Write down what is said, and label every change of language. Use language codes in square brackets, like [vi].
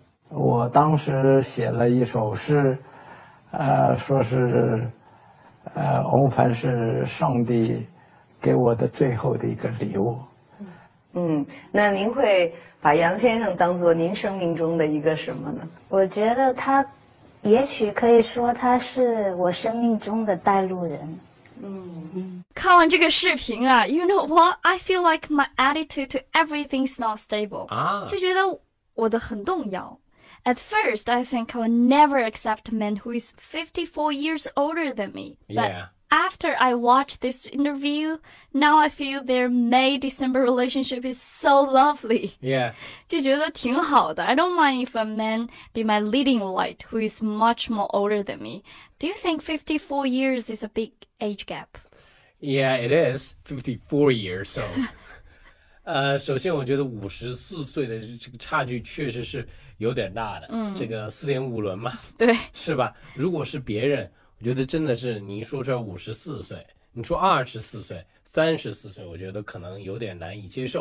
[zh] 我当时写了一首诗，说是，翁帆是上帝给我的最后的一个礼物。那您会把杨先生当作您生命中的一个什么呢？我觉得他，也许可以说他是我生命中的带路人。看完这个视频啊 ， [en] You know what? I feel like my attitude to everything's not stable. [zh] 就觉得我的很动摇。 [en] At first, I think I would never accept a man who is 54 years older than me. But after I watched this interview, now I feel their May-December relationship is so lovely. Yeah. [zh] 就觉得挺好的。 [en] I don't mind if a man be my leading light who is much more older than me. Do you think 54 years is a big age gap? Yeah, it is. 54 years, so... [zh] 首先我觉得54岁的这个差距确实是有点大的，这个4.5轮嘛，对，是吧？如果是别人，我觉得真的是你说出来54岁，你说24岁、34岁，我觉得可能有点难以接受。